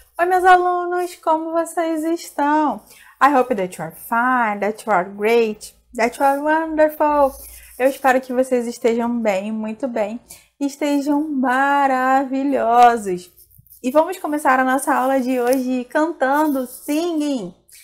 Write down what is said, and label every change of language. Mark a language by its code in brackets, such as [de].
[pt] Oi, meus alunos, como vocês estão? [en] I hope that you are fine, that you are great, that you are wonderful. [pt] Eu espero que vocês estejam bem, muito bem, e estejam maravilhosos. E vamos começar a nossa aula de hoje cantando, singing.